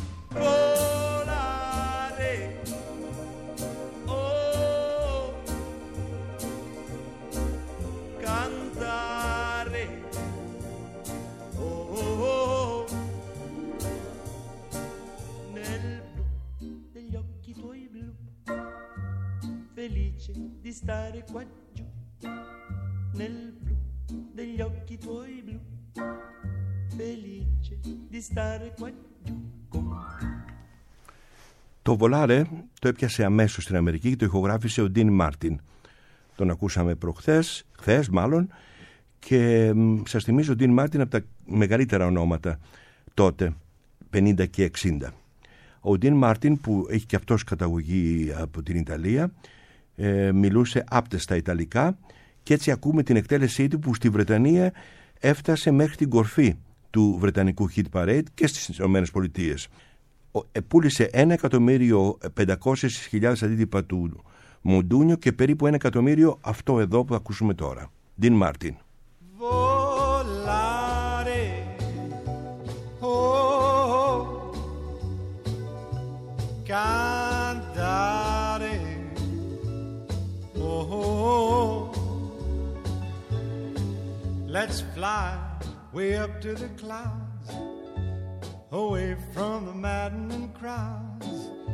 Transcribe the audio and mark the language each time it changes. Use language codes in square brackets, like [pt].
[it] Volare, oh, cantare, oh, oh, oh, nel blu degli occhi tuoi blu, felice di stare qua giù, nel blu degli occhi tuoi blu, felice di stare qua giù. [el] Το Volare το έπιασε αμέσως στην Αμερική και το ηχογράφησε ο Dean Martin. Τον ακούσαμε προχθές, χθες μάλλον, και σας θυμίζω ο Dean Martin από τα μεγαλύτερα ονόματα τότε, 50 και 60. Ο Dean Martin, που έχει και αυτός καταγωγή από την Ιταλία, μιλούσε άπτεστα ιταλικά και έτσι ακούμε την εκτέλεσή του που στη Βρετανία έφτασε μέχρι την κορφή του βρετανικού hit parade και στις Ηνωμένες Πολιτείες. Πούλησε 1.500.000 αντίτυπα του Μουντούνιο και περίπου 1.000.000 αυτό εδώ που ακούσουμε τώρα. Dean Martin. [it] Volare, oh, cantare, oh, [en] let's fly way up to the clouds, away from the maddening crowds.